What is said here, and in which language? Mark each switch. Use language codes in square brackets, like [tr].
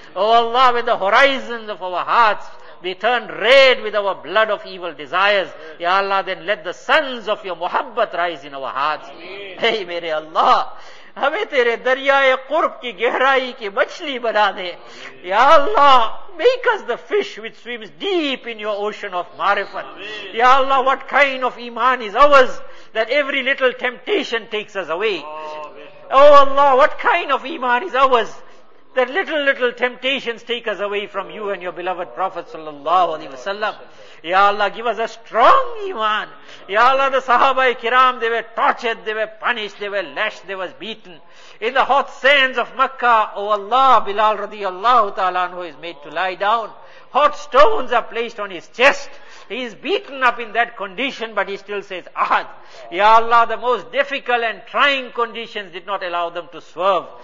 [en] Oh Allah, when the horizons of our hearts be turned red with our blood of evil desires, Ya Allah, then let the suns of your muhabbat rise in our hearts. [ur] Hey, mere Allah, ہمیں تیرے دریائے قرب کی گہرائی کی مچھلی بنا دے. [en] یا Allah, make us the fish which swims deep in your ocean of معرفت. یا Allah, what kind of ایمان is ours that every little temptation takes us away. O Allah, what kind of ایمان is ours that little temptations take us away from you and your beloved prophet صلی اللہ علیہ وسلم. یا Allah, give us a strong ایمان. یا Allah, the صحابہ کرام, they were tortured, they were punished, they were lashed, they were beaten in the hot sands of Mecca. O Allah, Bilal رضی اللہ تعالی عنہ is made to lie down, hot stones are placed on his chest, he is beaten up in that condition, but he still says احد. یا Allah, the most difficult and trying conditions did not allow them to swerve.